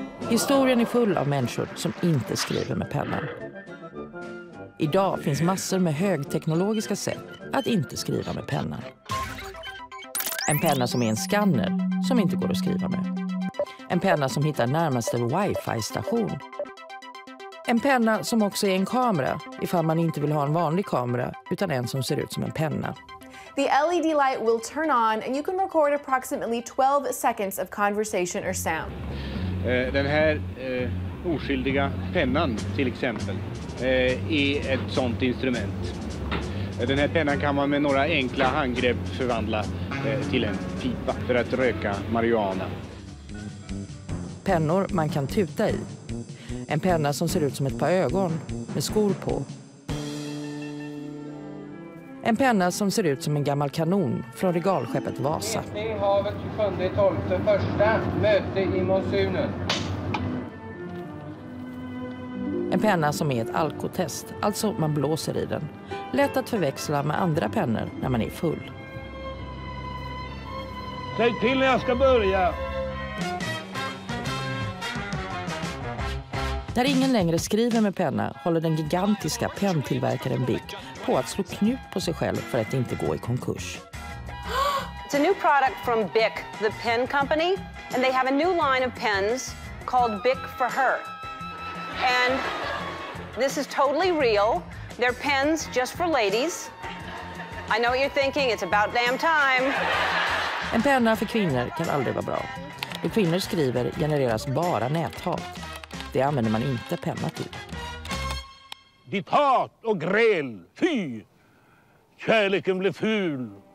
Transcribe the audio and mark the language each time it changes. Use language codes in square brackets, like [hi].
[sv] Historien är full av människor som inte skriver med pennan. Idag finns massor med högteknologiska sätt att inte skriva med pennan. En penna som är en scanner som inte går att skriva med. En penna som hittar närmaste wifi-station. En penna som också är en kamera, ifall man inte vill ha en vanlig kamera, utan en som ser ut som en penna. [en] The LED light will turn on and you can record approximately 12 seconds of conversation or sound. [sv] Den här oskyldiga pennan till exempel är ett sånt instrument. Den här pennan kan man med några enkla handgrepp förvandla till en pipa för att röka marijuana. Pennor man kan tuta i. En penna som ser ut som ett par ögon med skor på. En penna som ser ut som en gammal kanon från regalskeppet Vasa. Havet 27.12. Första möte i monsunen. En penna som är ett alkotest, alltså man blåser i den. Lätt att förväxla med andra pennor när man är full. Säg till när jag ska börja. När ingen längre skriver med penna håller den gigantiska penntillverkaren Bic på att slå knut på sig själv för att inte gå i konkurs. [en] It's a new product from Bic, the pen company, and they have a new line of pens called Bic for her. And this is totally real. They're pens just for ladies. I know what you're thinking, it's about damn time. [sv] En penna för kvinnor kan aldrig vara bra. Det kvinnor skriver genereras bara näthat. Det använder man inte penna till. Ditt hat och gräl, fy! Kärleken blev ful.